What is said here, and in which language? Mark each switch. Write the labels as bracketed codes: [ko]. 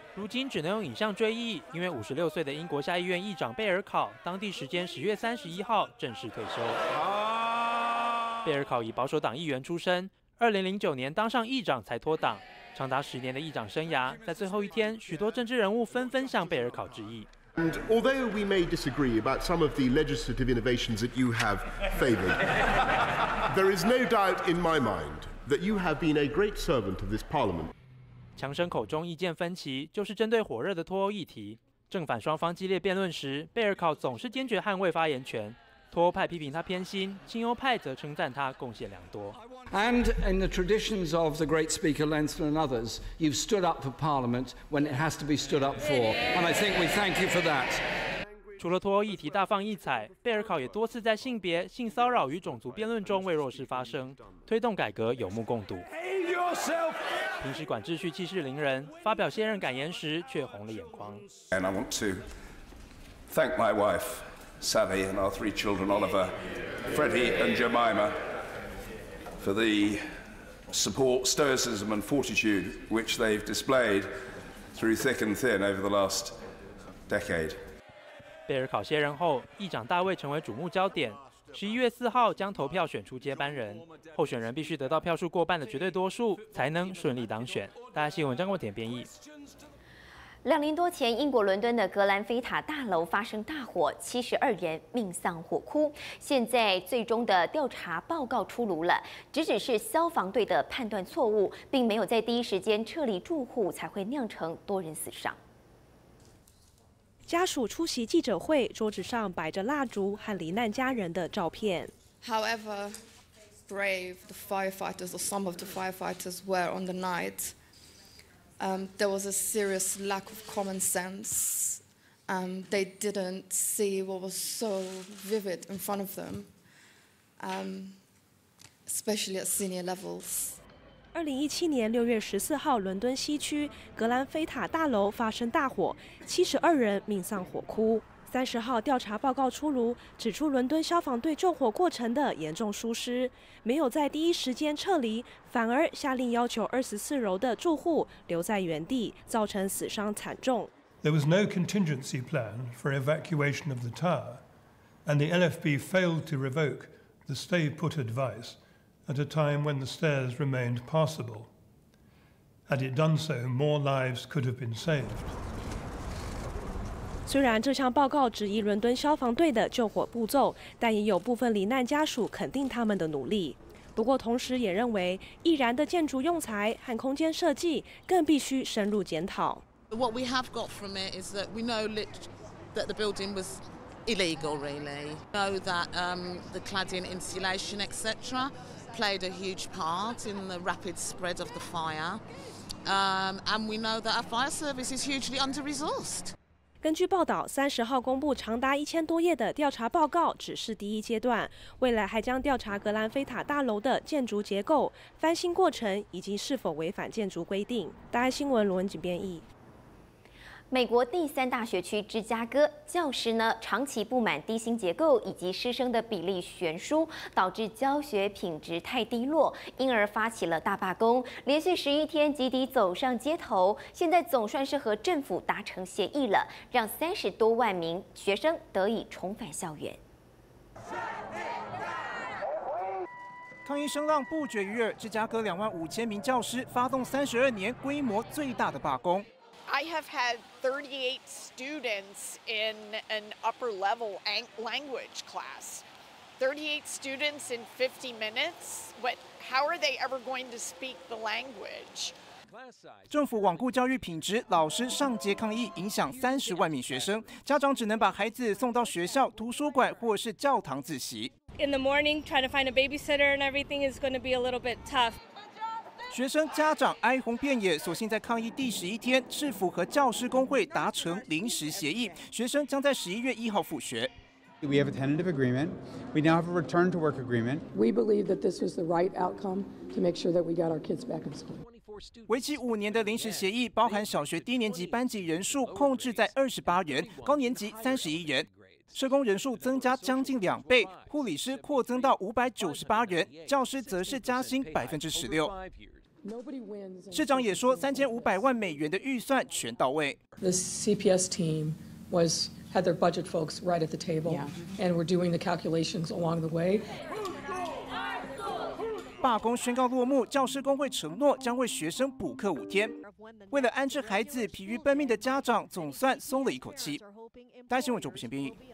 [zh] 如今只能用影像追忆，因为56岁的英国下议院议长贝尔考，当地时间10月31号正式退休。贝尔考以保守党议员出身，2009年当上议长才脱党，长达10年的议长生涯，在最后一天，许多政治人物纷纷向贝尔考致意。 [en] And although we may disagree about some of the legislative innovations that you have favoured, there is no doubt in my mind. That you have been a great servant of this Parliament. [zh] 强生口中意见分歧，就是针对火热的脱欧议题。正反双方激烈辩论时，贝尔考总是坚决捍卫发言权。脱欧派批评他偏心，亲欧派则称赞他贡献良多。 [en] And in the traditions of the great Speaker Lansford and others, you've stood up for Parliament when it has to be stood up for, and I think we thank you for that. [zh] 除了脱欧议题大放异彩，贝尔考也多次在性别、性骚扰与种族辩论中为弱势发声。推动改革有目共睹。平时管秩序气势凌人，发表卸任感言时却红了眼眶。 [en] And I want to thank my wife, Sally, and our 3 children, Oliver, Freddie, and Jemima, for the support, stoicism, and fortitude which they've displayed through thick and thin over the last decade. [zh] 贝尔考卸任后，议长大卫成为瞩目焦点。11月4号将投票选出接班人，候选人必须得到票数过半的绝对多数，才能顺利当选。大家新闻张国田编译。 2年多前，英国伦敦的格兰菲塔大楼发生大火，72人命丧火窟。现在最终的调查报告出炉了，只是消防队的判断错误，并没有在第一时间撤离住户，才会酿成多人死伤。家属出席记者会，桌子上摆着蜡烛和罹难家人的照片。 [en] However brave the firefighters or some of the firefighters were on the night, there was a serious lack of common sense. They didn't see what was so vivid in front of them, especially at senior levels. [zh] 2017年6月14号，伦敦西区格兰菲塔大楼发生大火，72人命丧火窟。 30号调查报告出炉，指出伦敦消防队救火过程的严重疏失，没有在第一时间撤离，反而下令要求24楼的住户留在原地，造成死伤惨重。 [en] There was no contingency plan for evacuation of the tower, and the LFB failed to revoke the stay put advice. At a time when the stairs remained passable. Had it done so, more lives could have been saved. [zh] 虽然这项报告质疑伦敦消防队的救火步骤，但也有部分罹难家属肯定他们的努力。不过同时也认为，易燃的建筑用材和空间设计更必须深入检讨。 [en] What we have got from it is that we know that the building was illegal, really. Know that the cladding insulation, etc. played a huge part in the rapid spread of the fire, and we know that our fire service is hugely under-resourced. [zh] 根据报道，30号公布长达1000多页的调查报告只是第一阶段，未来还将调查格兰菲塔大楼的建筑结构、翻新过程以及是否违反建筑规定。大爱新闻罗文锦编译。美国第三大学区芝加哥教师呢，长期不满低薪结构以及师生的比例悬殊，导致教学品质太低落，因而发起了大罢工，连续11天集体走上街头。现在总算是和政府达成协议了，让30多万名学生得以重返校园。抗议声浪不绝于耳，芝加哥25000名教师发动32年规模最大的罢工。 [en] I have had 38 students in an upper level language class. 38 students in 50 minutes? What, how are they ever going to speak the language? [zh] 政府罔顾教育品质，老师上街抗议，影响30万名学生。家长只能把孩子送到学校、图书馆或是教堂自习。 [en] In the morning, trying to find a babysitter and everything is going to be a little bit tough. [zh] 学生家长哀鸿遍野，所幸在抗议第11天，市府和教师工会达成临时协议，学生将在11月1号复学。 [en] We have a tentative agreement. We now have a return to work agreement. We believe that this was the right outcome to make sure that we got our kids back in school. [zh] 为期5年的临时协议，包含小学低年级班级人数控制在28人，高年级31人。社工人数增加将近2倍，护理师扩增到598人，教师则是加薪16%。市长也说，3500万美元的预算全到位。 [en] The CPS team was had their budget folks right at the table, and were doing the calculations along the way. [zh] 罢工宣告落幕，教师工会承诺将为学生补课5天。为了安置孩子，疲于奔命的家长总算松了一口气。大新闻就不行编译。